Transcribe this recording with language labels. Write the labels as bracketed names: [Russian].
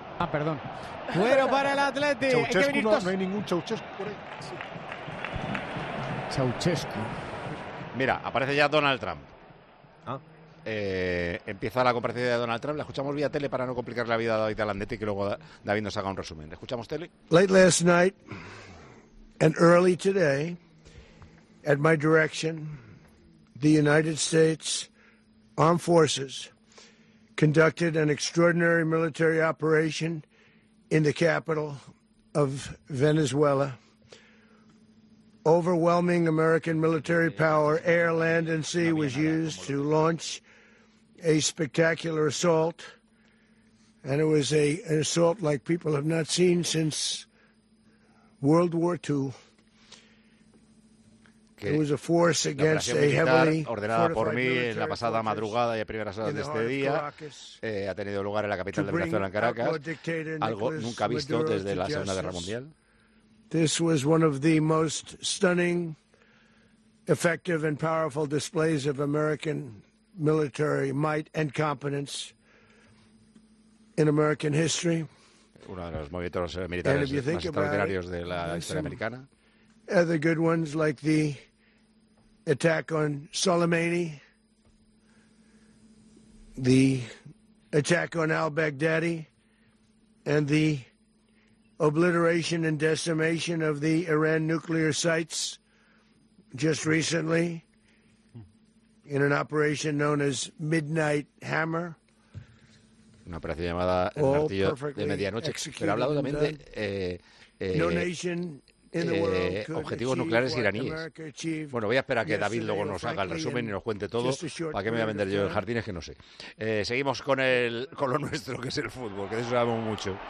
[Spanish] Ah, perdón. Cuero para el Atleti. No hay ningún Ceausescu por ahí. Sí. Ceausescu. Mira, aparece ya Donald Trump. Empieza la comparecencia de Donald Trump. La escuchamos vía tele para no complicar la vida a David Alandete y que luego David nos haga un resumen. ¿Escuchamos tele? [English] Late last night and early today, at my direction, the United States Armed Forces conducted an extraordinary military operation in the capital of Venezuela. Overwhelming American military power, air, land, and sea was used to launch a spectacular assault. And it was an assault like people have not seen since World War II. It was a force against a heavily [Spanish] ordenada por mí en la pasada madrugada y a primeras horas de este día. Ha tenido lugar en la capital de Venezuela, en Caracas, algo nunca visto desde la Segunda Guerra Mundial. [English] This was one of the most stunning, effective, and powerful displays of American military might and competence in American history. [Spanish] Uno de los movimientos militares más extraordinarios de la historia americana. [English] Other good ones like the attack on Soleimani, the attack on al-Baghdadi, and the obliteration and decimation of the Iran nuclear sites just recently in an operation known as Midnight Hammer. [Spanish] Una operación llamada El Martillo de Medianoche. Pero ha hablado también de objetivos nucleares iraníes. Bueno, voy a esperar a que David luego nos haga el resumen y nos cuente todo. ¿Para qué me voy a vender yo el jardín? Es que no sé. Seguimos con lo nuestro, que es el fútbol, que de eso sabemos mucho.